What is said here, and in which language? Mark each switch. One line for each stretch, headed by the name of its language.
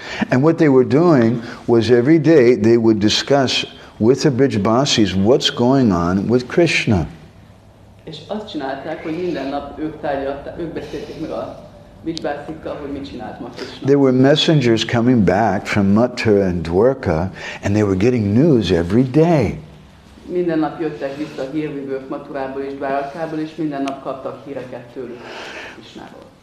English: And what they were doing was every day they would discuss with the Brijbasis what's going on with Krishna.
Hungarian: És azt csinálták, hogy minden nap ők beszélték meg a Brijbasikkal, hogy mit csinált ma Krishna.
English: There were messengers coming back from Mathura and Dwarka, and they were getting news every day.
Hungarian: Minden nap jöttek vissza hírvivők Mathurából és Dwarkából, és minden nap kaptak híreket tőlük Krishnáról.